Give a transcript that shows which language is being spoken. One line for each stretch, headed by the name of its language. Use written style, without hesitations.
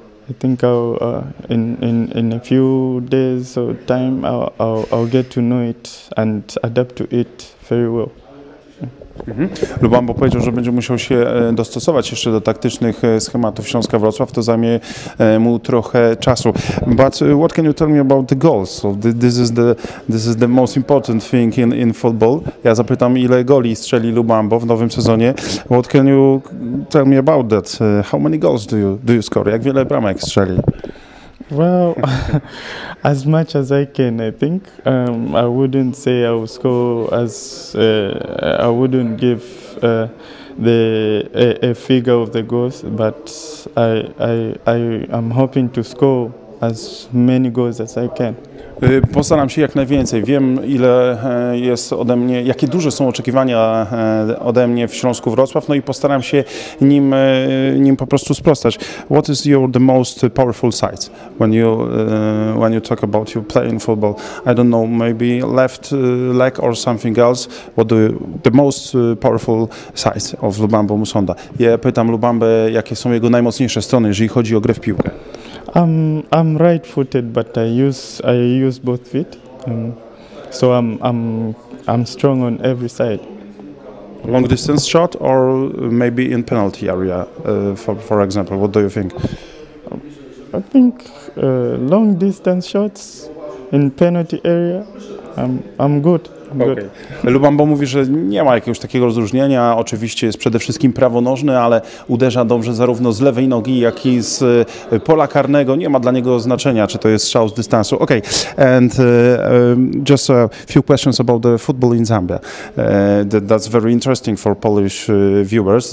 English: I think I'll, in a few days or time, I'll get to know it and adapt to it very well.
Polish: Lubambo powiedział, że będzie musiał się dostosować jeszcze do taktycznych schematów Śląska Wrocław, to zajmie mu trochę czasu.
English: But what can you tell me about the goals? So this is the most important thing in football.
Polish: Ja zapytam, ile goli strzeli Lubambo w nowym sezonie.
English: What can you tell me about that? How many goals do you score?
Polish: Jak wiele bramek strzeli?
English: Well, as much as I can, I think. I wouldn't say I will score as I wouldn't give a figure of the goals, but I am hoping to score as many goals as I can.
Polish: Postaram się jak najwięcej. Wiem, ile jest ode mnie, jakie duże są oczekiwania ode mnie w Śląsku Wrocław, no i postaram się nim po prostu sprostać.
English: What is your the most powerful side when you talk about you playing football? I don't know, maybe left leg or something else. What the most powerful side of Lubambo Musonda?
Polish: Ja pytam Lubambę, jakie są jego najmocniejsze strony, jeżeli chodzi o grę w piłkę.
English: I'm right-footed, but I use both feet, so I'm strong on every side. Long distance shot, or maybe in penalty area, for example. What do you think? I think long distance shots in penalty area. I'm good. Okay.
Polish: Lubambo mówi, że nie ma jakiegoś takiego rozróżnienia. Oczywiście jest przede wszystkim prawonożny, ale uderza dobrze zarówno z lewej nogi, jak i z pola karnego. Nie ma dla niego znaczenia, czy to jest strzał z dystansu.
English: Okay. And just a few questions about the football in Zambia. That's very interesting for Polish viewers.